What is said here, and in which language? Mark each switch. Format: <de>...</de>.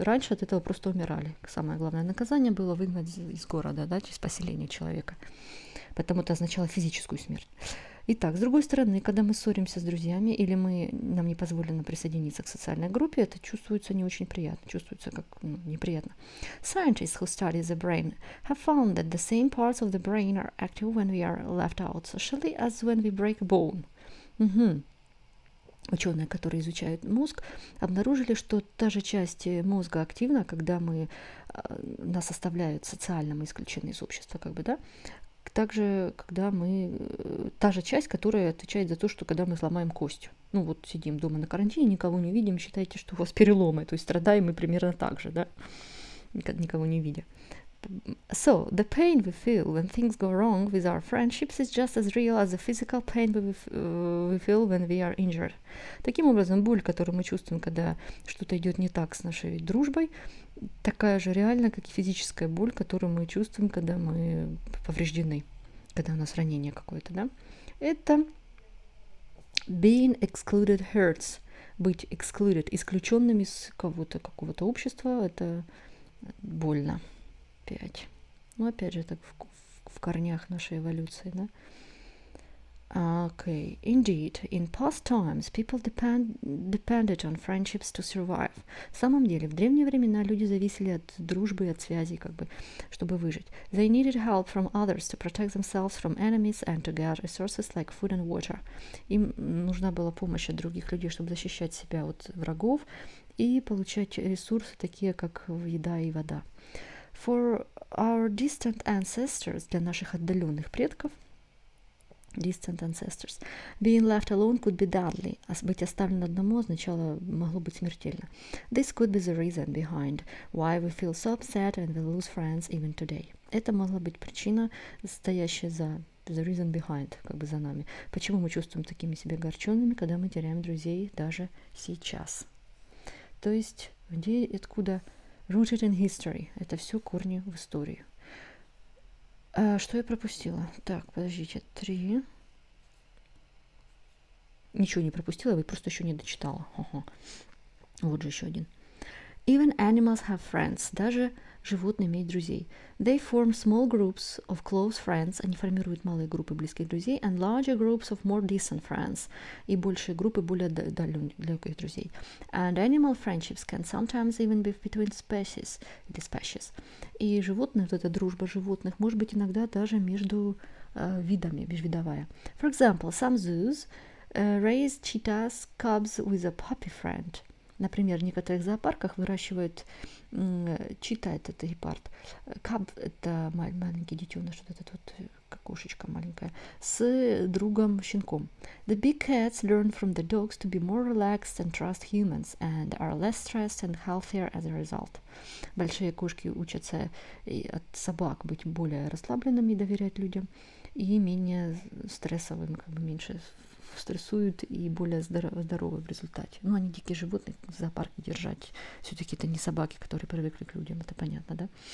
<ru>Раньше от этого просто умирали. Самое главное наказание было выгнать из города, да, через поселение человека. Потому это означало физическую смерть. Итак, с другой стороны, когда мы ссоримся с друзьями или нам не позволено присоединиться к социальной группе, это чувствуется не очень приятно, чувствуется как неприятно.</ru> <en>Scientists who study the brain have found that the same parts of the brain are active when we are left out socially as when we break a bone.</en> <ru>Ученые, которые изучают мозг, обнаружили, что та же часть мозга активна, когда нас оставляют социально, мы исключены из общества, как бы, да? Также, когда мы... Та же часть, которая отвечает за то, что когда мы сломаем кость. Ну вот сидим дома на карантине, никого не видим, считайте, что у вас переломы, то есть страдаем мы примерно так же, да? Никого не видя.</ru> <en>So, the pain we feel when things go wrong with our friendships is just as real as the physical pain we feel when we are injured.</en> <ru>Таким образом, боль, которую мы чувствуем, когда что-то идет не так с нашей дружбой, такая же реальная, как и физическая боль, которую мы чувствуем, когда мы повреждены, когда у нас ранение какое-то, да?</ru> <en>Это being excluded hurts.</en> <ru>Быть excluded, исключенным из кого-то, какого-то общества, это больно. 5. Ну, опять же, так в корнях нашей эволюции, да?</ru> <en>Okay. Indeed, in past times, people depended on friendships to survive.</en> <ru>В самом деле, в древние времена люди зависели от дружбы и от связей, как бы, чтобы выжить.</ru> <en>They needed help from others to protect themselves from enemies and to get resources like food and water.</en> <ru>Им нужна была помощь от других людей, чтобы защищать себя от врагов и получать ресурсы, такие как еда и вода.</ru> <en>For our distant ancestors,</en> <ru>для наших отдаленных предков,</ru> <en>distant ancestors, being left alone could be deadly,</en> <ru>а быть оставлен одному означало, могло быть смертельно.</ru> <en>This could be the reason behind why we feel so upset and we lose friends even today.</en> <ru>Это могла быть причина, стоящая за</ru> <en>the reason behind,</en> <ru>как бы за нами. Почему мы чувствуем такими себя огорченными, когда мы теряем друзей даже сейчас? То есть, где и откуда...</ru> <en>Rooted in history.</en> <ru>Это все корни в истории. Что я пропустила? Так, подождите. 3. Ничего не пропустила, я просто еще не дочитала. Вот же еще один.</ru> <en>Even animals have friends.</en> <ru>Даже животные имеют друзей.</ru> <en>They form small groups of close friends.</en> <ru>Они формируют малые группы близких друзей.</ru> <en>And larger groups of more distant friends.</en> <ru>И большие группы более далеких друзей.</ru> <en>And animal friendships can sometimes even be between species.</en> <ru>Или species. И животные, вот эта дружба животных, может быть иногда даже между видами, межвидовая.</ru> <en>For example, some zoos raise cheetahs, cubs with a puppy friend.</en> <ru>Например, в некоторых зоопарках выращивают чита, это гепард, каб, это маленький детеныш, вот этот вот кошечка маленькая, с другом-щенком.</ru> <en>The big cats learn from the dogs to be more relaxed and trust humans, and are less stressed and healthier as a result.</en> <ru>Большие кошки учатся от собак быть более расслабленными и доверять людям, и менее стрессовым, как бы меньше стрессуют и более здоровы в результате. Ну, они дикие животные, в зоопарке держать. Все-таки это не собаки, которые привыкли к людям, это понятно, да?</ru>